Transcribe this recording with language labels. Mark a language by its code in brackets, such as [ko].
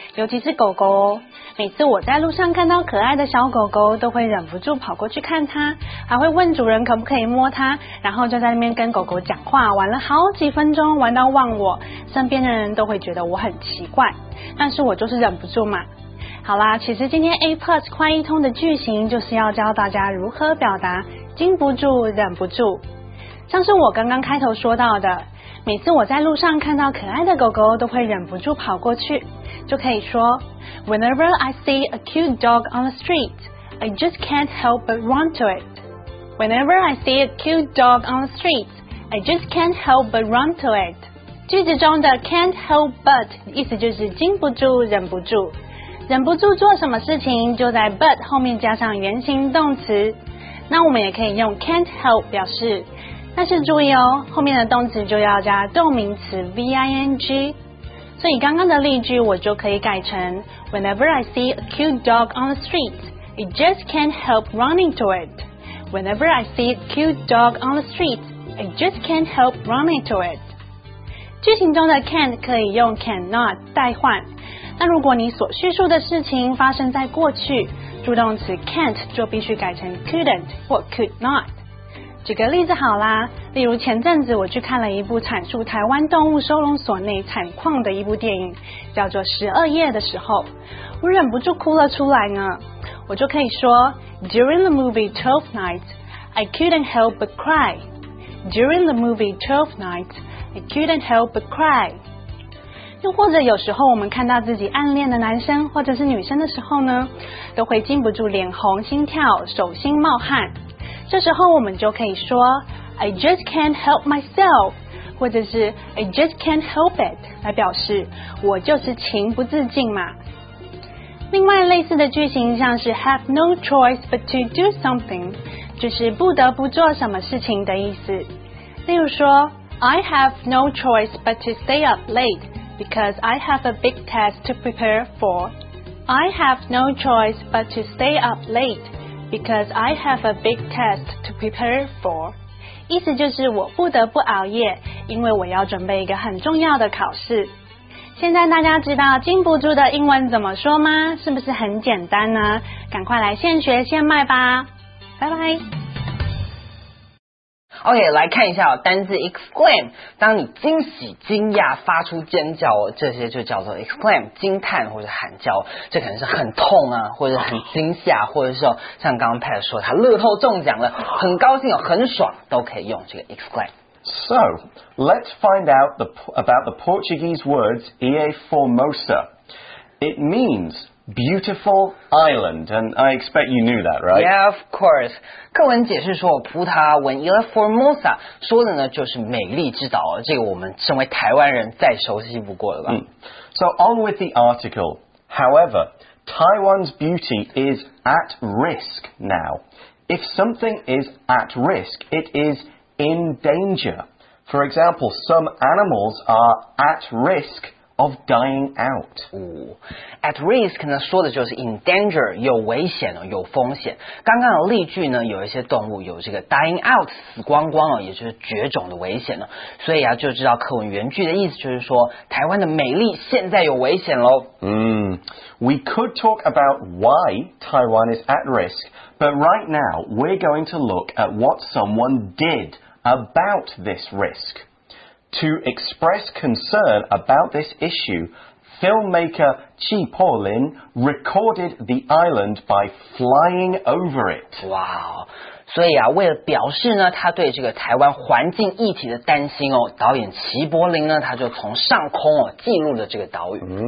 [zh] 尤其是狗狗哦。每次我在路上看到可爱的小狗狗，都会忍不住跑过去看它，还会问主人可不可以摸它，然后就在那边跟狗狗讲话，玩了好几分钟，玩到忘我，身边的人都会觉得我很奇怪，但是我就是忍不住嘛。好啦，其实今天 A Plus 快译通的句型就是要教大家如何表达禁不住、忍不住，像是我刚刚开头说到的。每次我在路上看到可爱的狗狗都会忍不住跑过去，就可以说 [en] Whenever I see a cute dog on the street, I just can't help but run to it. Whenever I see a cute dog on the street, I just can't help but run to it. [zh] 句子中的 can't help but 意思就是禁不住、忍不住。忍不住做什么事情就在 but 后面加上原形动词。那我们也可以用 can't help 表示，但是注意哦，后面的动词就要加动名词 V-I-N-G。所以刚刚的例句我就可以改成 [en] Whenever I see a cute dog on the street, I just can't help running to it. Whenever I see a cute dog on the street, I just can't help running to it. [zh] 句型中的 can't 可以用 cannot 代换。那如果你所叙述的事情发生在过去，助动词 can't 就必须改成 couldn't 或 could not。举个例子好啦，例如前阵子我去看了一部阐述台湾动物收容所内惨况的一部电影，叫做《十二夜》的时候，我忍不住哭了出来呢。我就可以说 [en] ，During the movie Twelve Nights, I couldn't help but cry. During the movie Twelve Nights, I couldn't help but cry. [zh] 又或者有时候我们看到自己暗恋的男生或者是女生的时候呢，都会禁不住脸红、心跳、手心冒汗。这时候我们就可以说 [en] I just can't help myself [zh] 或者是 [en] I just can't help it [zh] 来表示我就是情不自禁嘛。另外类似的句型像是 [en] have no choice but to do something [zh] 就是不得不做什么事情的意思，例如说 [en] I have no choice but to stay up late because I have a big test to prepare for. I have no choice but to stay up lateBecause I have a big test to prepare for. [zh] 意思就是我不得不熬夜，因为我要准备一个很重要的考试。现在大家知道禁不住的英文怎么说吗？是不是很简单呢？赶快来现学现卖吧！拜拜。 OK， 来看一下单字 exclaim。当你惊喜、惊讶、发出尖叫，这些就叫做 exclaim， 惊叹或者喊叫。这可能是很痛啊，或者很惊吓，或者是像刚刚 Pat 说他乐透中奖了，很高兴哦，很爽，都可以用这个 exclaim。 [en] So let's find out about the Portuguese words Ilha Formosa. It means beautiful island, and I expect you knew that, right? Yeah, of course. [zh] 课文解释说，葡萄牙文 Ilha Formosa 说的呢就是美丽之岛，这个我们身为台湾人再熟悉不过了吧。 So on with the article. However, Taiwan's beauty is at risk now. If something is at risk, it is in danger. For example, some animals are at risk of dying out. At risk 呢说的就是 [en] in danger, [zh] 有危险有风险。刚刚的例句呢有一些动物有这个 dying out, 死光光也就是绝种的危险。所以啊就知道课文原句的意思就是说台湾的美丽现在有危险咯。 [en] We could talk about why Taiwan is at risk, but right now we're going to look at what someone did about this risk. To express concern about this issue, filmmaker Chi Po Lin recorded the island by flying over it. Wow. [zh] 所以啊为了表示呢他对这个台湾环境议题的担心哦导演齐柏林呢他就从上空哦记录了这个岛屿。